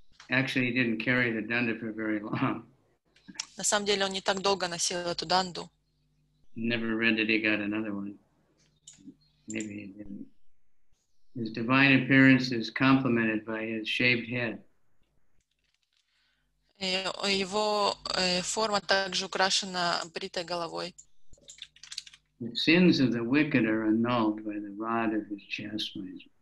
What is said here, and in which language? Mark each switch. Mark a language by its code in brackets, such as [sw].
[en] Actually, he didn't carry the danda for very long. [ru] На самом деле, он не так долго носил эту данду. [en] Never read that he got another one. Maybe his divine appearance is complemented by his shaved head. [ru] Его форма также украшена бритой головой. [en] The sins of the wicked are annulled by the rod of his chastisement.